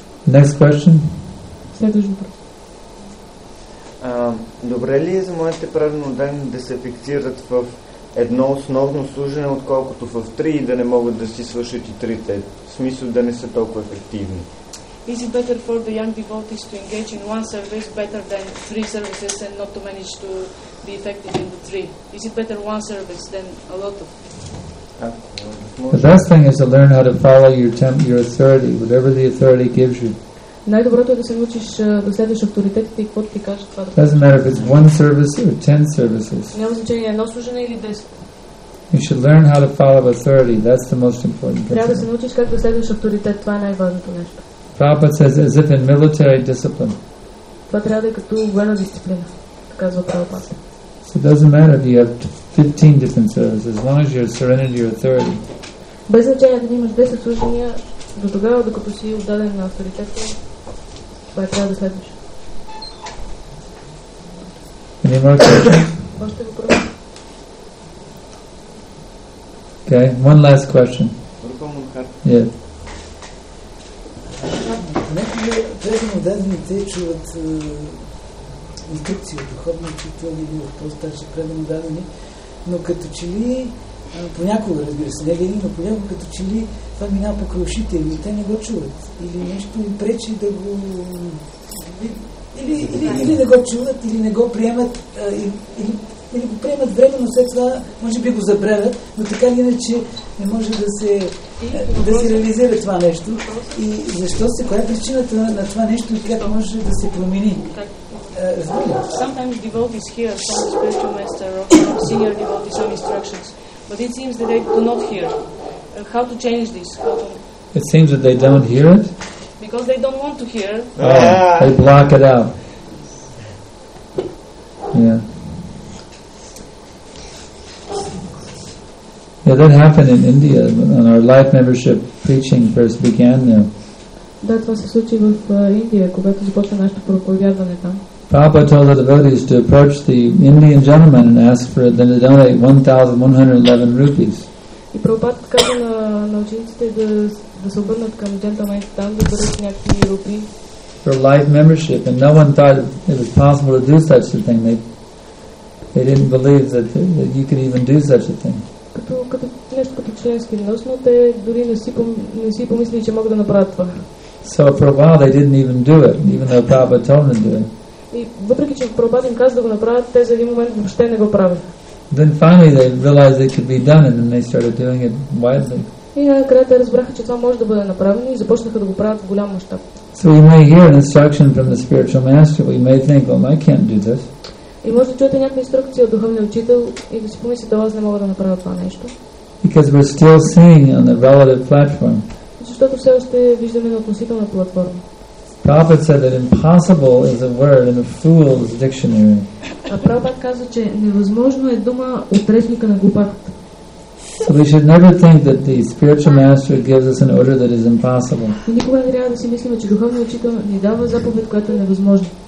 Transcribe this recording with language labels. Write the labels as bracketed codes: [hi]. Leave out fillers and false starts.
[en] Next question. [bg] Следващ въпрос. Добре ли е за моите правилно дадени да се фиксират в едно основно служене, отколкото в три и да не могат да си свършат и трите? В смисъл да не са толкова ефективни. [en] Is it better for the young devotees to engage in one service better than three services and not to manage to be effective in the three? Is it better one service than a lot of? The best thing is to learn how to follow your authority, whatever the authority gives you. [bg] Най-доброто е да се научиш да следваш авторитетите и каквото ти кажат това. [en] Doesn't matter if it's one service or ten services. [bg] Няма значение едно служене или 10. [en] You should learn how to follow authority. That's the most important thing. [bg] Трябва да се научиш как да следваш авторитет. Това е най-важното нещо. [en] Prabhupada says, as if in military discipline. [bg] Това трябва да е като военна дисциплина, казва Прабхупада. [en] So it doesn't matter if you have 15 different services, as long as you're surrendered to your authority. [bg] Без значение да имаш 10 служения, до тогава, докато си отдаден на авторитета, това е трябва да следваш. [en] Any more questions? [bg] Още въпрос. [en] Okay, one last question. Yeah. [bg] Преднодадни дадените чуват инструкции от духовни учители или от по-старши преднодадени, но като че ли, понякога разбира се, не ли, но понякога като че ли това минава покрай ушите или те не го чуват. Или нещо им пречи да го... Или не го чуват, или не го приемат, или го приемат време, но след това може би го забравят, но така ли иначе не може да се... да се реализира това нещо и защо се, коя е причината на това нещо и как може да се промени. [en] Sometimes devotees hear from the spiritual master or from the senior devotees some instructions, but it seems that they do not hear. How to change this? It seems that they don't hear it? Because they don't want to hear. They block it out. Yeah. Yeah, that happened in India when our life membership preaching first began there. That was [bg] случай в Индия, когато започна нашето проповядване там. [en] Prabhupada told the devotees to approach the Indian gentleman and ask for them to donate 1,111 rupees. [bg] И Прабхупада каза на учениците да се обърнат към джентълмените там да дарят някакви рупии. [en] For life membership, and no one thought it was possible to do such a thing. They didn't believe that you could even do such a thing. [bg] Като нещо като членски внос, но те дори не си помислили, че могат да направят това. [en] So for a while they didn't even do it, even though Prabhupada told them to do it. [bg] И въпреки че Прабхупада им каза да го направят, те за един момент въобще не го правят. [en] Then finally they realized it could be done and then they started doing it widely. [bg] И накрая те разбраха, че това може да бъде направено и започнаха да го правят в голям мащаб. [en] So we may hear an instruction from the spiritual master, we may think, well, I can't do this. [bg] И може да чуете някаква инструкция от духовния учител и да си помислите, аз не мога да направя това нещо. [en] Because we're still seeing on the relative platform. [bg] Защото все още виждаме на относителна платформа. [en] Prabhupada said that impossible is a word in a fool's dictionary. [bg] А Прабхупада каза, че невъзможно е дума от речника на глупакта. [en] So we should never think that the spiritual master gives us an order that is impossible. [bg] И никога не трябва да си мислим, че духовният учител ни дава заповед, която е невъзможна.